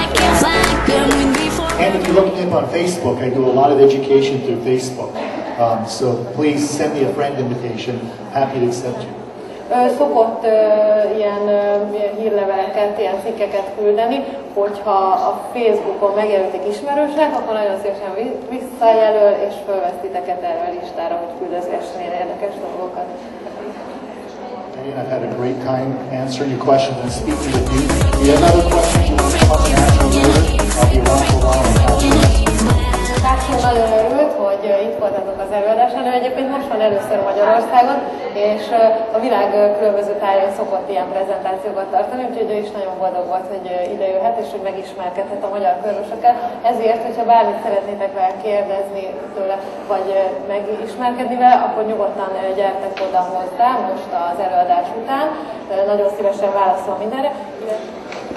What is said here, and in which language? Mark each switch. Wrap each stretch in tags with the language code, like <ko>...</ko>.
<en>And if you look him on Facebook, I do a lot of education through Facebook. So please send me a friend invitation. Happy to accept you.</en> <hu>Szokott ilyen hírleveleket, ilyen cikkeket küldeni, hogyha a Facebookon megjelöltek ismerősnek, akkor nagyon szívesen visszajelöl, és felvesz titeket erre a listára, hogy küldözgessen érdekes dolgokat.</hu> <en>Again, I've had a great time answering your questions and speaking with you. If you have other questions, you want to talk to Natural Motor, I'll be walking around and talk to you.</en> <hu>Nagyon örült, hogy itt voltatok az előadáson, ő egyébként most van először Magyarországon, és a világ különböző tájon szokott ilyen prezentációkat tartani, úgyhogy ő is nagyon boldog volt, hogy idejöhet, és hogy megismerkedhet a magyar körösökkel. Ezért, hogyha bármit szeretnétek vele kérdezni tőle, vagy megismerkedni vele, akkor nyugodtan gyertek oda hozzá most az előadás után. Nagyon szívesen válaszol mindenre.</hu>